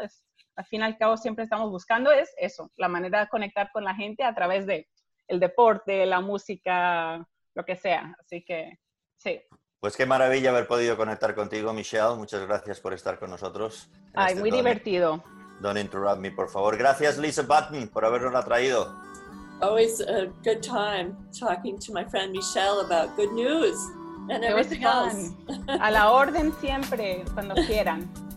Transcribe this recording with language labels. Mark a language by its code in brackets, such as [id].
[es] Es, al fin y al cabo siempre estamos buscando es eso, la manera de conectar con la gente a través del deporte, la música, lo que sea. Así que, sí. Pues qué maravilla haber podido conectar contigo, Michelle. Muchas gracias por estar con nosotros. Ay, muy divertido. [en] Don't interrupt me, [es] por favor. Gracias, Lisa Button, por habernos la traído. [en] Always a good time talking to my friend Michelle about good news and everything else. [es] A la orden siempre, cuando quieran.